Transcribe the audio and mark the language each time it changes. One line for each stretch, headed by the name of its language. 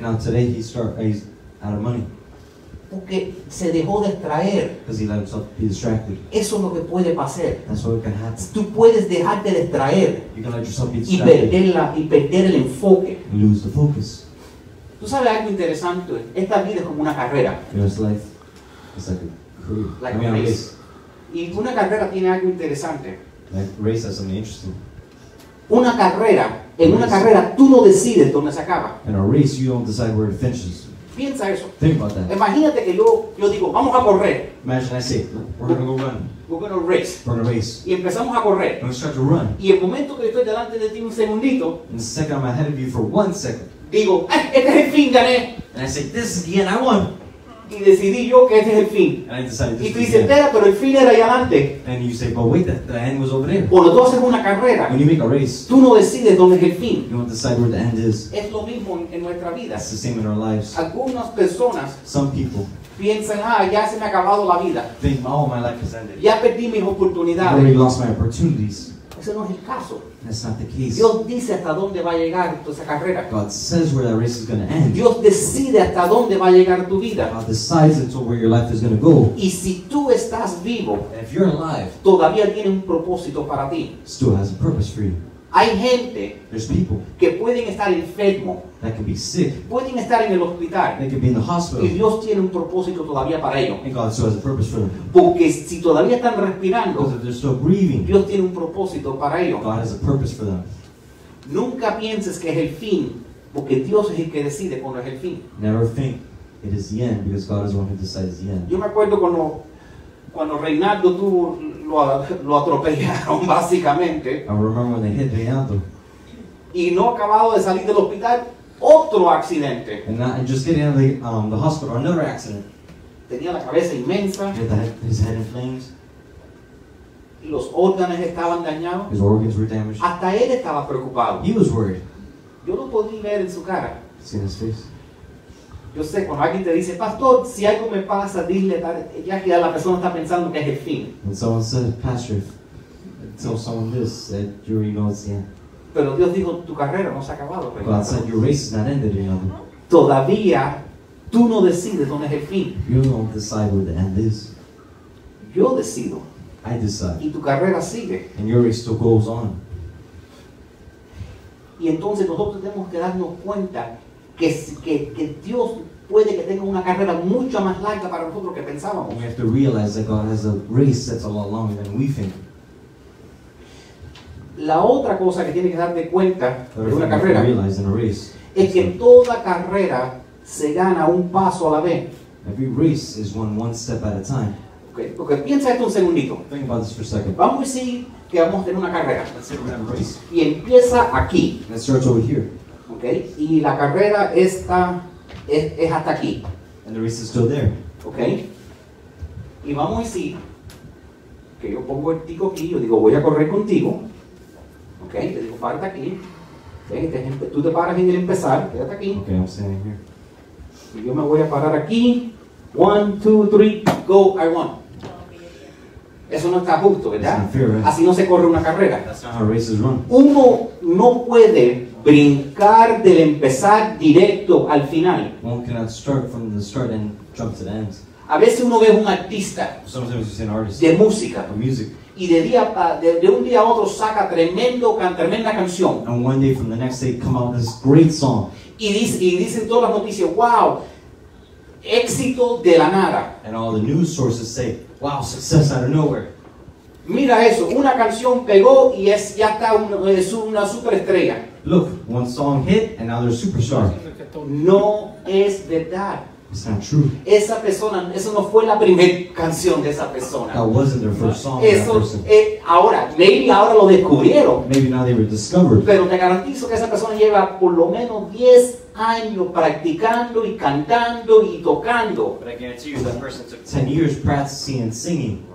English: Now today he's out of money.
Spanish: Porque se dejó distraer.
English: Because he let himself be distracted.
Spanish: Eso es lo que puede pasar.
English: That's what can happen.
Spanish: Tú puedes dejarte distraer.
English: You can let yourself be distracted.
Spanish: Y perder el enfoque.
English: And lose the focus.
Spanish: Tú sabes algo interesante. Esta vida es como una carrera.
English: You know, it's life. It's like a crew. Like a race.
Spanish: Y una carrera tiene algo interesante.
English: Like race has something interesting.
Spanish: Una carrera. En race. Una carrera tú no decides dónde se acaba.
English: In a race you don't decide where it finishes.
Spanish: Piensa eso.
English: Think about that.
Spanish: Imagínate que yo digo, vamos a correr.
English: Imagine I say, we're going to go run. We're going to race. We're going to race.
Spanish: Y empezamos a correr.
English: We're going to start to run.
Spanish: Y el momento que estoy delante de ti un segundito.
English: And the second I'm ahead of you for 1 second.
Spanish: Digo, este es el fin, gané.
English: And I say, this is the end, I won.
Spanish: Y decidí yo que este es el fin.
English: And I decided this
Spanish: y tú dices, espera, pero el fin era allá adelante.
English: And you say, but wait, the end was over there.
Spanish: Cuando tú haces una carrera.
English: When you make a race.
Spanish: Tú no decides dónde es el fin.
English: You don't decide where the end is.
Spanish: Es lo mismo en nuestra vida.
English: It's the same in our lives.
Spanish: Algunas personas.
English: Some people.
Spanish: Piensan, ya se me ha acabado la vida.
English: Think, oh, my life has ended.
Spanish: Ya perdí mis oportunidades.
English: I've already lost my opportunities.
Spanish: Ese no es el caso.
English: That's not the case.
Spanish: Dios dice hasta dónde va a llegar tu carrera.
English: God says where that race is going to end.
Spanish: Dios decide hasta dónde va a llegar tu vida.
English: God decides until where your life is going to go.
Spanish: Y si tú estás vivo,
English: and if you're alive,
Spanish: todavía tiene un propósito para ti.
English: Still has a purpose for you.
Spanish: Hay gente,
English: there's people,
Spanish: que pueden estar enfermo,
English: that can be sick,
Spanish: pueden estar en el hospital,
English: they can be in the hospital,
Spanish: y Dios tiene un propósito todavía para ellos.
English: And God still has a purpose for them.
Spanish: Porque si todavía están respirando,
English: because if they're still breathing,
Spanish: Dios tiene un propósito para ellos.
English: God has a purpose for them.
Spanish: Nunca pienses que es el fin, porque Dios es el que decide cuándo es el fin.
English: Never think it is the end, because God is the one who decides the end.
Spanish: Yo me acuerdo cuando cuando Reinaldo tuvo lo atropellaron básicamente.
English: I remember when they hit Reinaldo.
Spanish: Y no acabado de salir del hospital, otro accidente.
English: And not, and just getting out of the hospital, another accident.
Spanish: Tenía la cabeza inmensa.
English: His head in flames.
Spanish: Los órganos estaban dañados.
English: His organs were damaged.
Spanish: Hasta él estaba preocupado.
English: He was worried.
Spanish: Yo lo podía ver en su cara.
English: See in his face.
Spanish: Yo sé, cuando alguien te dice, pastor, si algo me pasa, dile, ya la persona está pensando que es el fin.
English: And someone said, pastor, tell someone this, that you already know it's the end.
Spanish: Pero Dios dijo, tu carrera no se ha acabado.
English: But God said, your race is not ended, you know.
Spanish: Todavía, tú no decides dónde es el fin.
English: You don't decide where the end is.
Spanish: Yo decido.
English: I decide.
Spanish: Y tu carrera sigue.
English: And your race still goes on.
Spanish: Y entonces nosotros tenemos que darnos cuenta que Dios puede que tenga una carrera mucho más larga para nosotros que pensábamos.
English: And we have to realize that God has a race that's a lot longer than we think.
Spanish: La otra cosa que tiene que darte cuenta de una carrera
English: realize in a race,
Spanish: es que toda carrera se gana un paso a la vez.
English: Every race is won one step at a time. Okay, okay.
Spanish: Piensa esto un segundito.
English: Think about this for a second.
Spanish: Vamos a decir que vamos a tener una carrera.
English: Let's say we have a race.
Spanish: Y empieza aquí.
English: Let's start over here. Okay.
Spanish: Y la carrera está es hasta aquí.
English: And the race is still there. Okay.
Spanish: Y vamos a decir que yo pongo el tico aquí, yo digo voy a correr contigo. Okay. Te digo parte aquí. Okay. Tú te paras en el empezar. Quédate aquí.
English: Okay. I'm standing here.
Spanish: Y yo me voy a parar aquí. 1, 2, 3,
English: go, I won.
Spanish: Eso no está justo, ¿verdad?
English: That's unfair, right?
Spanish: Así no se corre una carrera.
English: That's not how races run.
Spanish: Uno no puede brincar del empezar directo al final.
English: One cannot start from the start and jump to the end.
Spanish: A veces uno ve un artista.
English: Sometimes you see an artist.
Spanish: De música.
English: Of music.
Spanish: Y de un día a otro saca tremenda canción.
English: And one day from the next day come out this great song.
Spanish: Y dicen todas las noticias, wow, éxito de la nada.
English: And all the news sources say, wow, success out of nowhere.
Spanish: Mira eso, una canción pegó y ya está es una superestrella.
English: Look, one song hit and now they're a superstar.
Spanish: No es verdad.
English: It's not true.
Spanish: Esa persona, eso no fue la primera canción de esa persona.
English: That wasn't their first song.
Spanish: Eso,
English: that person.
Spanish: Ahora, maybe ahora lo descubrieron.
English: Maybe now they were discovered.
Spanish: Pero te garantizo que esa persona lleva por lo menos 10 años practicando y cantando y tocando.
English: But I guarantee you that person took 10 years practicing and singing.